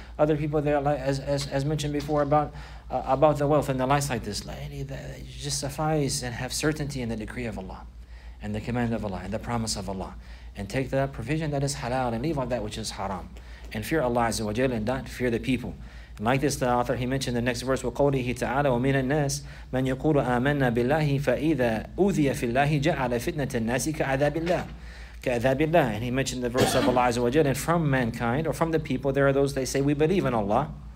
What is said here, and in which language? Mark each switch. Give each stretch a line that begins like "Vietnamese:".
English: Other people there, as mentioned before, about the wealth and the lights like this, just suffice and have certainty in the decree of Allah and the command of Allah and the promise of Allah. And take the provision that is halal and leave off that which is haram. And fear Allah Azza wa Jal and not fear the people. Like this, the author, he mentioned the next verse,
Arabic: وَقَوْلِهِ تَعَالَى وَمِنَ النَّاسِ مَنْ يَقُولُ آمَنَّا بِاللَّهِ فَإِذَا أُوذِيَ فِي اللَّهِ جَعَلَ فِتْنَةَ النَّاسِ كَعَذَابِ اللَّهِ كَعَذَابِ اللَّهِ.
English: And he mentioned the verse of Allah Azza wa Jalla, and from mankind, or from the people, there are those, they say, we believe in Allah.